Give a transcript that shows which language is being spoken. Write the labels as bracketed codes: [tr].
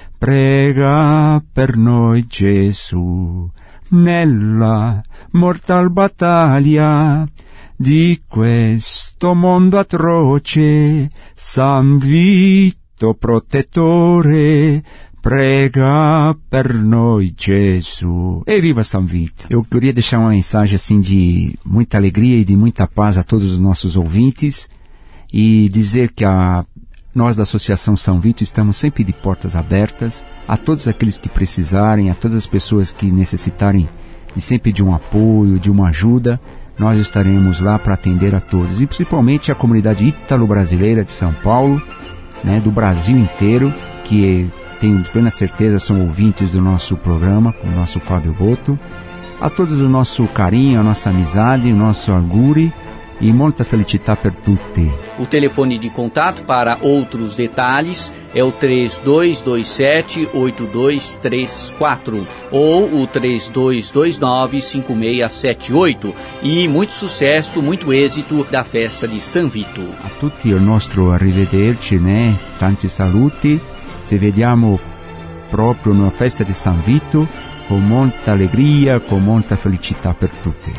[it] prega per noi Gesù, nella mortal battaglia di questo mondo atroce, San Vito protettore, prega per noi Gesù. E viva San Vito! [pt] Eu queria deixar uma mensagem assim de muita alegria e de muita paz a todos os nossos ouvintes e dizer que nós da Associação São Vito estamos sempre de portas abertas a todos aqueles que precisarem, a todas as pessoas que necessitarem de sempre de um apoio, de uma ajuda. Nós estaremos lá para atender a todos, e principalmente a comunidade ítalo-brasileira de São Paulo, né, do Brasil inteiro, que tenho plena certeza são ouvintes do nosso programa, com o nosso Fábio Boto. A todos o nosso carinho, a nossa amizade, o nosso auguri [it] e molta felicità per tutti. [pt] O telefone de contato para outros detalhes é o 3227-8234 ou o 3229-5678. E muito sucesso, muito êxito da festa de San Vito. [it] A tutti il nostro arrivederci, né? Tanti saluti. Ci vediamo proprio nella festa di San Vito. Con molta allegria, con molta felicità per tutti.